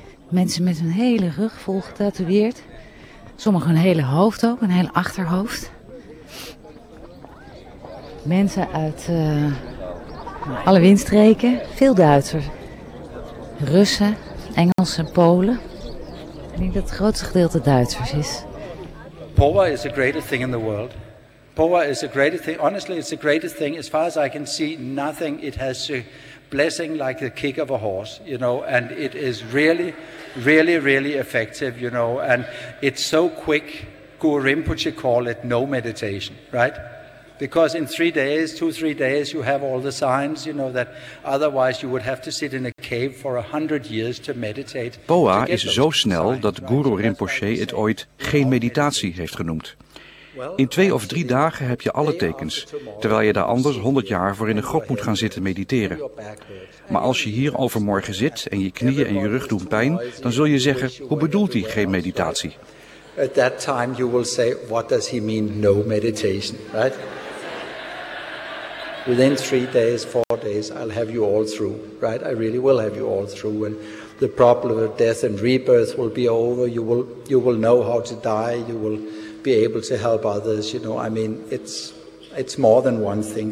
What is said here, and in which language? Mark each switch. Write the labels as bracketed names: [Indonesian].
[Dutch] Mensen met hun hele rug vol getatoeëerd. Sommigen hun hele hoofd ook, een hele achterhoofd. Mensen uit alle windstreken, veel Duitsers. Russen, Engelsen, Polen. Ik denk dat het grootste gedeelte Duitsers is. [English] POA is the greatest thing in the world. POA is the greatest thing. Honestly, it's the greatest thing. As far as I can see, nothing. It has a blessing like the kick of a horse, you know. And it is really, really, really effective, you know. And it's so quick. Guru Rinpoche call it no meditation, right? Because in 3 days, 2-3 days, you have all the signs, you know, that otherwise you would have to sit in a cave for 100 years to meditate. [Dutch] POA is zo snel dat Guru Rinpoche het ooit geen meditatie heeft genoemd. In 2 of 3 dagen heb je alle tekens, terwijl je daar anders 100 jaar voor in een grot moet gaan zitten mediteren. Maar als je hier overmorgen zit en je knieën en je rug doen pijn, dan zul je zeggen, hoe bedoelt hij geen meditatie? [English] At that time you will say, what does he mean, no meditation, right? Within 3 days, 4 days, I'll have you all through, right? I really will have you all through, and the problem of death and rebirth will be over. You will know how to die, you will be able to help others, you know. I mean, it's more than one thing.